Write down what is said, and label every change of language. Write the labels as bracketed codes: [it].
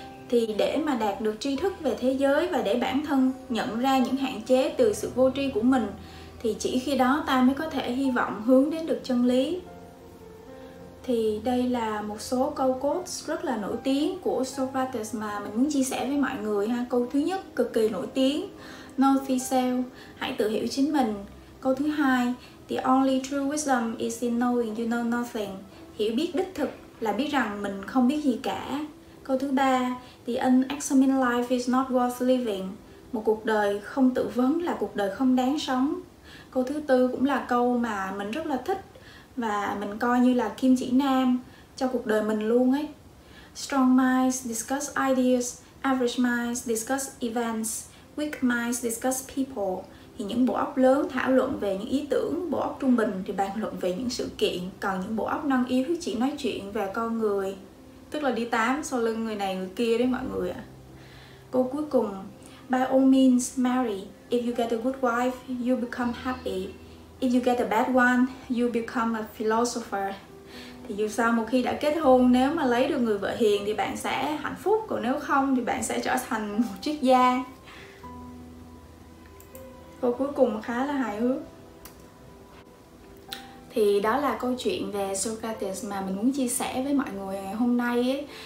[vi] Thì để mà đạt được tri thức về thế giới và để bản thân nhận ra những hạn chế từ sự vô tri của mình, thì chỉ khi đó ta mới có thể hy vọng hướng đến được chân lý. Thì đây là một số câu quotes rất là nổi tiếng của Socrates mà mình muốn chia sẻ với mọi người ha. Câu thứ nhất cực kỳ nổi tiếng, [en] Know thyself, [vi] hãy tự hiểu chính mình. Câu thứ hai, [en] The only true wisdom is in knowing you know nothing. [vi] Hiểu biết đích thực là biết rằng mình không biết gì cả. Câu thứ ba, [en] The unexamined life is not worth living. [vi] Một cuộc đời không tự vấn là cuộc đời không đáng sống. Câu thứ tư cũng là câu mà mình rất là thích và mình coi như là kim chỉ nam cho cuộc đời mình luôn ấy. [en] Strong minds discuss ideas, average minds discuss events, weak minds discuss people. [vi] Thì những bộ óc lớn thảo luận về những ý tưởng, bộ óc trung bình thì bàn luận về những sự kiện, còn những bộ óc non yếu chỉ nói chuyện về con người, tức là đi tám sau lưng người này người kia đấy mọi người ạ. Câu cuối cùng, [en] by all means marry, if you get a good wife, you become happy. If you get a bad one, you become a philosopher. [vi] Thì dù sao một khi đã kết hôn, nếu mà lấy được người vợ hiền thì bạn sẽ hạnh phúc, còn nếu không thì bạn sẽ trở thành một triết gia. Câu cuối cùng khá là hài hước. Thì đó là câu chuyện về Socrates mà mình muốn chia sẻ với mọi người ngày hôm nay ấy.